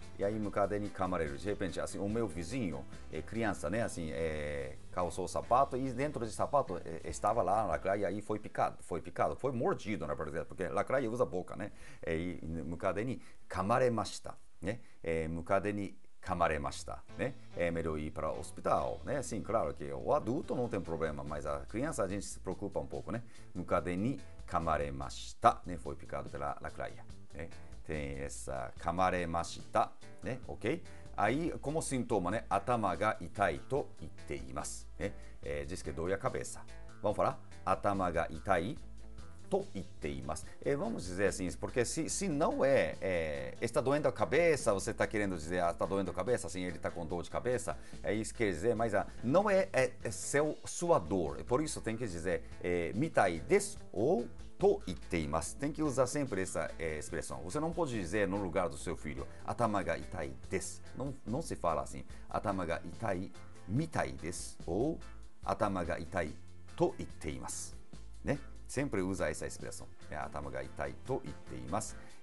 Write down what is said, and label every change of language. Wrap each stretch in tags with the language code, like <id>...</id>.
<pt>E aí</pt> <ja>mukade ni kamareru,</ja> <pt>de repente assim o meu vizinho, criança, né, assim, calçou o sapato e dentro desse sapato estava lá a lacraia, e foi picado, foi mordido, na verdade, porque lacraia usa boca, né, e</pt> <ja>mukade ni kamare mashita,</ja> <pt>né, mukade ni kamare mashita, né, melhor ir para o hospital, né, assim, claro que o adulto não tem problema, mas a criança a gente se preocupa um pouco, né, mukade ni kamare mashita, né, foi picado pela lacraia, né. Tem essa</pt> <ja>kamare mashita,</ja> <pt>né? Ok? Aí, como sintoma, né?</pt> <ja>Atama ga itai と言っています。ね、</ja> <pt>diz que doi a cabeça. Vamos falar?</pt> <ja>Atama ga itai と言っています。</ja> <pt>vamos dizer assim, porque se não é, está doendo a cabeça, você está querendo dizer, ah, está doendo a cabeça, assim, ele está com dor de cabeça, é isso que quer dizer, mas não é sua dor. Por isso tem que dizer,</pt> <ja>mitai desu</ja> <pt>ou</pt> <ja>と言っています。</ja> <pt>tem que usar sempre essa, expressão. Você não pode dizer no lugar do seu filho,</pt> <ja>atama が痛いです。</ja> <pt>não se fala assim,</pt> <ja>atama が痛いみたいです、</ja> <pt>ou</pt> <ja>atama が痛いと言っています。ね、</ja> <pt>sempre usa essa expressão,</pt> <ja>atama が痛いと言っています。</ja>